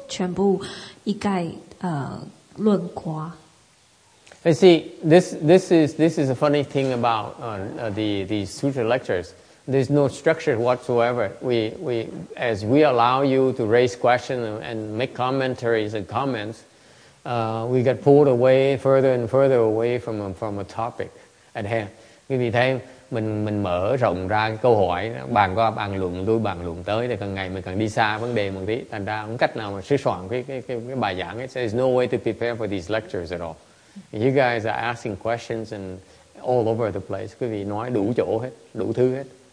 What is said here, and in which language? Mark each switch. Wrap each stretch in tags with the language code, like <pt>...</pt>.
<zh>所以重点是你要看这个人本身是善还是恶的，你不可以全部一概论夸。</zh> <en>You see, this is a funny thing about the sutra lectures. There's no structure whatsoever. As we allow you to raise questions and make commentaries and comments, we get pulled away further and further away from a topic at hand.</en> <vi>Quý vị thấy mình mở rộng ra cái câu hỏi, bàn qua bàn luận, đuôi bàn luận tới thì càng ngày mình càng đi xa vấn đề một tí. Thành ra không cách nào mà sửa soạn cái bài giảng.</vi> <en>It says no way to prepare for these lectures at all. You guys are asking questions and all over the place.</en> <vi>Quý vị nói đủ chỗ hết, đủ thứ hết.</vi>